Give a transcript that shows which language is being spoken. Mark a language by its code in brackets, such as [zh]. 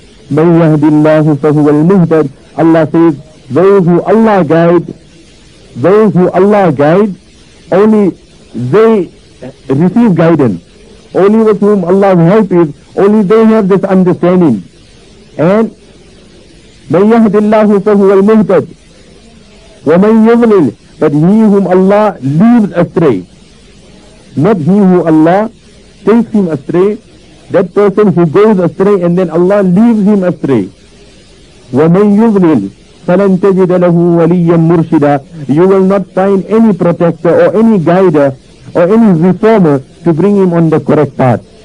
[ar] مَنْ يَهْدِ اللَّهُ فَهُوَ الْمُهْتَدِ. [en] Allah says, those who Allah guide, only they receive guidance. Only with whom Allah's help is, only they have this understanding. And [ar] مَنْ يَهْدِ اللَّهُ فَهُوَ الْمُهْتَدِ وَمَنْ يُضْلِلْ. [en] But he whom Allah leaves astray, not he who Allah takes him astray, that person who goes astray and then Allah leaves him astray. [ar] وَمَنْ يُضْلِلْ فَلَنْ تَجِدَ لَهُ وَلِيًّا مُرْشِدًا. [en] You will not find any protector or any guider or any reformer to bring him on the correct path.